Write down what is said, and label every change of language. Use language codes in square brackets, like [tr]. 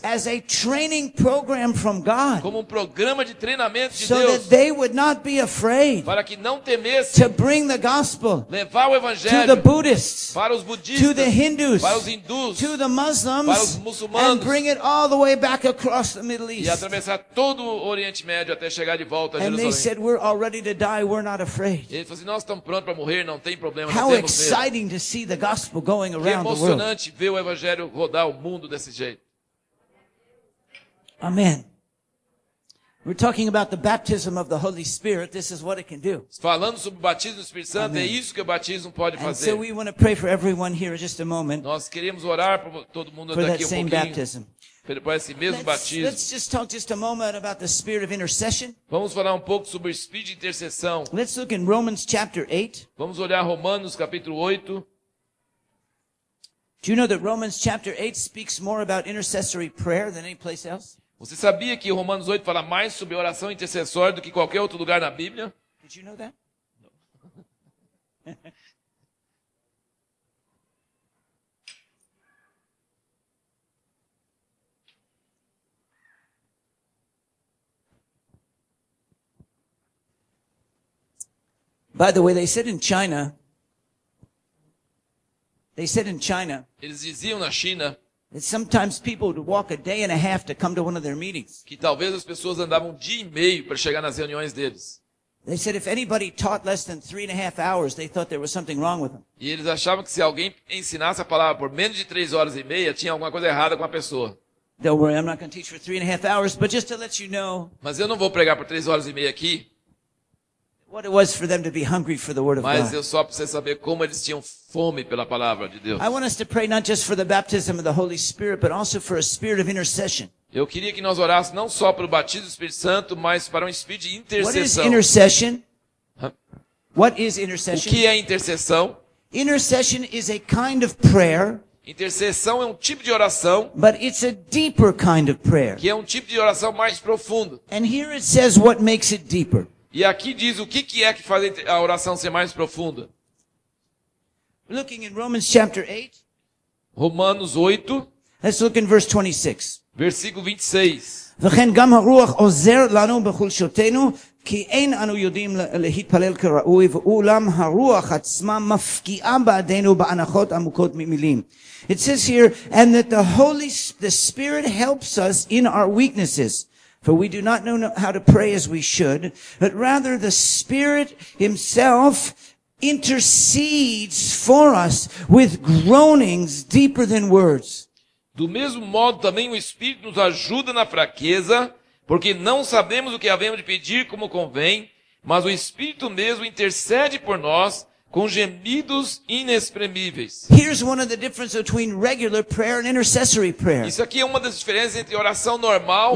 [en] as a training program from God [pt] como um programa de treinamento de [en] so [pt] Deus [en] that they would not be afraid [pt] para que não temessem [en] to bring the gospel [pt] levar o evangelho [en] to the Buddhists [pt] para os budistas [en] to the Hindus [pt] para os hindus [en] to the Muslims [pt] para os muçulmanos [en] and bring it all the way back across the Middle East [pt] e atravessar todo o Oriente Médio até chegar de volta a Jerusalém. [en] And they said we're all ready to die we're not afraid [pt] eles falaram nós estamos prontos para morrer não tem problema [en] how [pt] não temos [en] exciting to see the gospel going around the world. [pt] É emocionante ver o evangelho rodar o mundo desse jeito. [en] Amen. We're talking about the baptism of the Holy Spirit. This is what it can do. [pt] Falando sobre o batismo do Espírito Santo, é isso que o batismo pode [en] and [pt] fazer. [en] So we want to pray for everyone here just a moment. [pt] Nós queremos orar para todo mundo [en] for [pt] daqui um pouquinho. Baptism. Para esse mesmo batismo. [en] Let's just talk just a moment about the spirit of intercession. [pt] Vamos falar um pouco sobre o espírito de intercessão. [en] Let's look in Romans chapter 8. [pt] Vamos olhar Romanos capítulo 8. [en] Do you know that Romans chapter 8 speaks more about intercessory prayer than any place else? [pt] Você sabia que Romanos 8 fala mais sobre oração intercessória do que qualquer outro lugar na Bíblia? [en] Did you know that? No. By the way, they said in China. They said in China. [pt] Eles diziam na China. [en] That sometimes people would walk a day and a half to come to one of their meetings. [pt] Que talvez as pessoas andavam um dia e meio para chegar nas reuniões deles. [en] They said if anybody taught less than 3.5 hours, they thought there was something wrong with them. [pt] E eles achavam que se alguém ensinasse a palavra por menos de 3 horas e meia, tinha alguma coisa errada com a pessoa. [en] Don't worry, I'm not going to teach for 3.5 hours, but just to let you know. [pt] Mas eu não vou pregar por 3 horas e meia aqui. [en] What it was for them to be hungry for the word of God. [pt] Mas eu só preciso saber como eles tinham fome pela palavra de Deus. [en] I want us to pray not just for the baptism of the Holy Spirit, but also for a spirit of intercession. [pt] Eu queria que nós orássemos não só pelo batismo do Espírito Santo, mas para um espírito de intercessão. [en] What is intercession? What is intercession? [pt] O que é intercessão? [en] Intercession is a kind of prayer. [pt] Intercessão é um tipo de oração, [en] but it's a deeper kind of prayer. [pt] Que é um tipo de oração mais profundo. [en] And here it says what makes it deeper. [pt] E aqui diz o que é que faz a oração ser mais profunda. [en] Looking in Romans chapter 8. [pt] Romanos 8. [en] Let's look in verse 26. [pt] Versículo 26. [he] וכן גם הרוח עוזר לנו בחולשותנו, כי אין אנו יודעים להתפלל כראוי, ואולם הרוח עצמה מפקיעה בעדינו בהנחות עמוקות ממילים. [en] It says here, and that the Spirit helps us in our weaknesses. For we do not know how to pray as we should, but rather the Spirit Himself intercedes for us with groanings deeper than words. [pt] Do mesmo modo, também o Espírito nos ajuda na fraqueza, porque não sabemos o que havemos de pedir como convém, mas o Espírito mesmo intercede por nós com gemidos inexprimíveis. [en] Here's one of the differences between regular prayer and intercessory prayer. [pt] Isso aqui é uma das diferenças entre oração normal